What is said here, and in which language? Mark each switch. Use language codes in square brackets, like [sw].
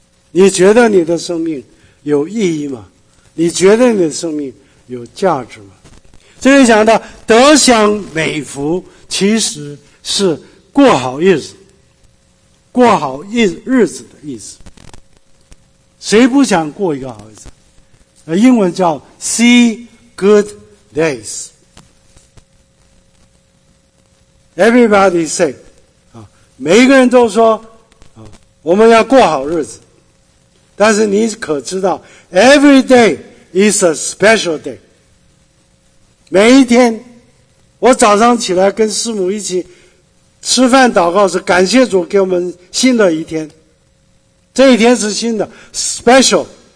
[zh] 你觉得你的生命有意义吗？你觉得你的生命有价值吗？这里讲到得享美福其实是过好日子，过好日子的意思。谁不想过一个好日子？英文叫 [en] see good days。 Everybody say， [zh] 每一个人都说我们要过好日子，但是你可知道 [en] every day is a special day。 [zh] 每一天我早上起来跟师母一起吃饭祷告时，感谢主给我们新的一天，这一天是新的 special。